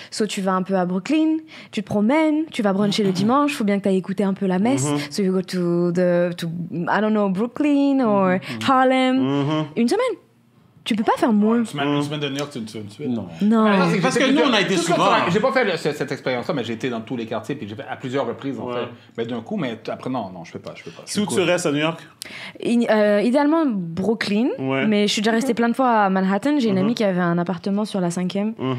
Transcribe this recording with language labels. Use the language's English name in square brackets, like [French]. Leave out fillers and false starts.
[French] So tu vas un peu à Brooklyn, tu te promènes, tu vas bruncher le dimanche. Faut bien que tu ailles écouter un peu la messe. [English] So you go to the, to, I don't know, Brooklyn or Harlem. [French] Une semaine. Tu peux pas faire moins. Une semaine de New York, c'est une semaine. Non. Non. Parce que nous, on a été souvent. J'ai pas fait cette expérience-là, mais j'ai été dans tous les quartiers, puis j'ai fait à plusieurs reprises, en fait. Mais d'un coup, mais après, non, je fais pas. Où tu restes à New York? Idéalement, Brooklyn. Ouais. Mais je suis déjà restée plein de fois à Manhattan. J'ai une amie qui avait un appartement sur la 5e.